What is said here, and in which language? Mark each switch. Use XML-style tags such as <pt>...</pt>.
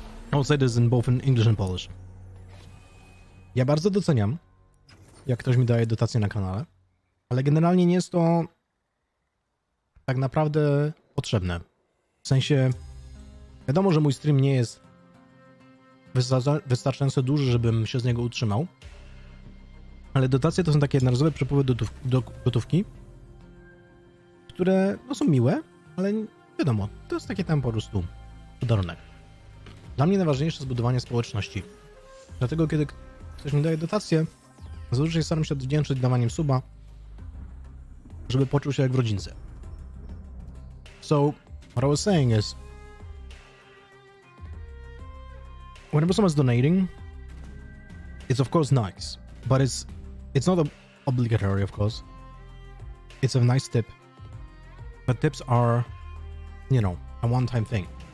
<en>I'll say this in both in English and Polish.</en> <pl>Ja bardzo doceniam, jak ktoś mi daje dotacje na kanale. Ale generalnie nie jest to... tak naprawdę potrzebne. W sensie... Wiadomo, że mój stream nie jest wystarczająco duży, żebym się z niego utrzymał. Ale dotacje to są takie jednorazowe przepływy do gotówki, które no, są miłe, ale wiadomo, to jest takie tam po prostu podarunek. Dla mnie najważniejsze jest budowanie społeczności. Dlatego kiedy ktoś mi daje dotacje, zazwyczaj staram się odwdzięczyć dawaniem suba, żeby poczuł się jak w rodzince.</pl> <en>So, what I was saying is, whenever someone's donating, it's of course nice, but it's not obligatory, of course. It's a nice tip, but tips are, you know, a one-time thing.</en>